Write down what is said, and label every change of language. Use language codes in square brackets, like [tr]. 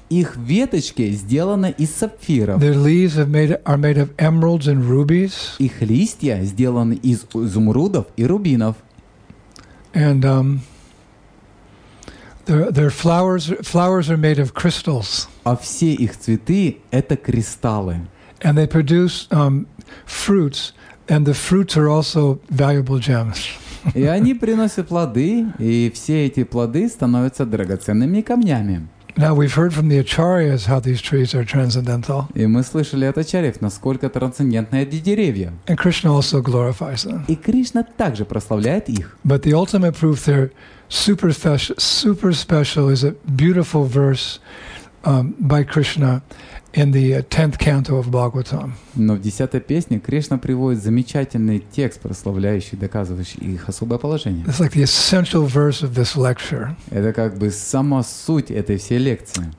[ru] Их веточки сделаны из сапфиров. [en] Their leaves are made of emeralds and rubies. [ru] Их листья сделаны из изумрудов и рубинов. [en] And their flowers are made of crystals. [ru] А все их цветы — это кристаллы. [en] And they produce fruits, and the fruits are also valuable gems. [ru] И они приносят плоды, и все эти плоды становятся драгоценными камнями. [en] Now we've heard from the acharyas how these trees are transcendental. [ru] И мы слышали от ачарьев, насколько трансцендентны эти деревья. [en] And Krishna also glorifies them. [ru] И Кришна также прославляет их. [en] But the ultimate proof they're super special is a beautiful verse by Krishna in the 10th canto of Bhagavatam. [ru] Но в 10-й песне Кришна приводит замечательный текст, прославляющий, доказывающий их особое положение. [en] It's like the essential verse of this lecture. [ru] Это как бы сама суть этой всей лекции.